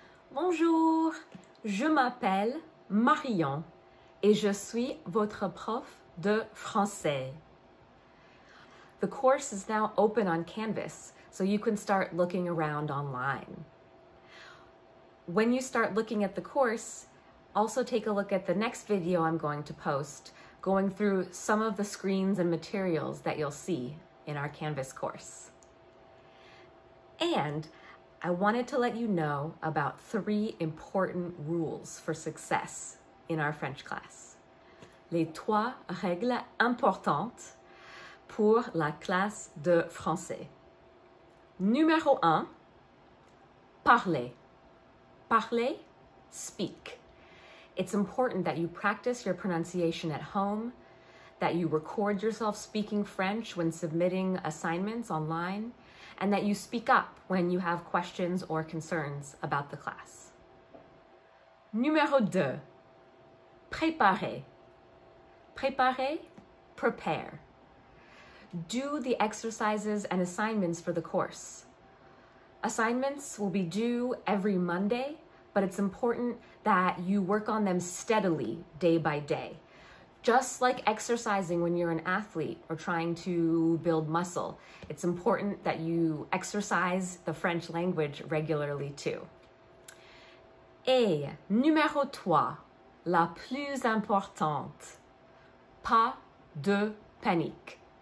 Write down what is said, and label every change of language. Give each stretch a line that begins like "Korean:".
French: Bonjour, je m'appelle Marion et je suis votre prof de français.
English: The course is now open on Canvas, so you can start looking around online. When you start looking at the course, also take a look at the next video I'm going to post, going through some of the screens and materials that you'll see in our Canvas course. And I wanted to let you know about three important rules for success in our French class.
French: Les trois règles importantes pour la classe de français. Numéro un, parler. Parler, speak.
English: It's important that you practice your pronunciation at home, that you record yourself speaking French when submitting assignments online, and that you speak up when you have questions or concerns about the class.
French: Numéro deux, préparer. Préparer, prepare.
English: Do the exercises and assignments for the course. Assignments will be due every Monday, but it's important that you work on them steadily day by day. Just like exercising when you're an athlete or trying to build muscle, it's important that you exercise the French language regularly too.
French: Et numéro trois, la plus importante, pas de panique.